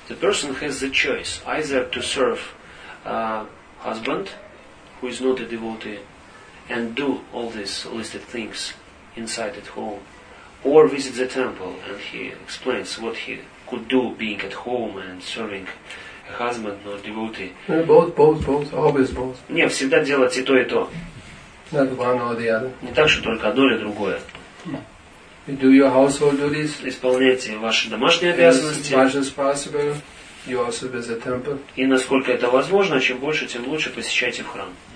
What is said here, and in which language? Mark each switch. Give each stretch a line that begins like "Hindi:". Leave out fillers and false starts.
English: The person has the choice either to serve husband, who is not a devotee, and do all these listed things inside at home, or visit the temple. And he explains what he could do being at home and serving a husband, not a devotee. Yeah, both, always both.
Russian: Не, всегда делать и то, и то.
English: Not one or the other.
Russian: Не так, что только одно или другое.
English: Do your household duties.
Russian: Исполняйте ваши домашние обязанности.
English: As much as possible, you also visit temple.
Russian: И насколько это возможно, чем больше, тем лучше посещайте в храм.